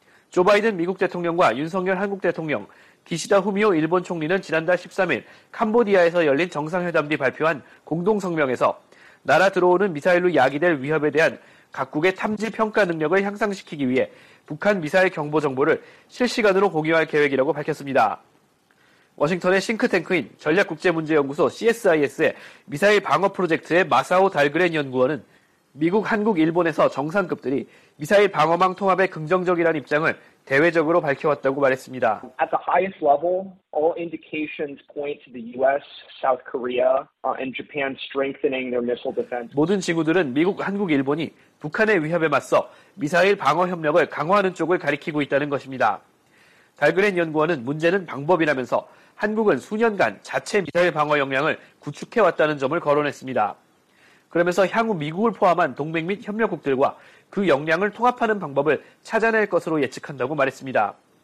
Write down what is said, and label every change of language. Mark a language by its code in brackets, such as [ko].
[ko] 조 바이든 미국 대통령과 윤석열 한국 대통령, 기시다 후미오 일본 총리는 지난달 13일 캄보디아에서 열린 정상회담 뒤 발표한 공동성명에서 날아 들어오는 미사일로 야기될 위협에 대한 각국의 탐지 평가 능력을 향상시키기 위해 북한 미사일 경보 정보를 실시간으로 공유할 계획이라고 밝혔습니다. 워싱턴의 싱크탱크인 전략국제문제연구소 CSIS의 미사일 방어 프로젝트의 마사오 달그렌 연구원은 미국, 한국, 일본에서 정상급들이 미사일 방어망 통합에 긍정적이라는 입장을 대외적으로 밝혀왔다고 말했습니다. [en] At the highest level, all indications point to the US, South Korea, and Japan strengthening their missile defense. [ko] 모든 지구들은 미국, 한국, 일본이 북한의 위협에 맞서 미사일 방어 협력을 강화하는 쪽을 가리키고 있다는 것입니다. 달그렌 연구원은 문제는 방법이라면서 한국은 수년간 자체 미사일 방어 역량을 구축해왔다는 점을 거론했습니다. 그러면서 향후 미국을 포함한 동맹 및 협력국들과 그 역량을 통합하는 방법을 찾아낼 것으로 예측한다고 말했습니다.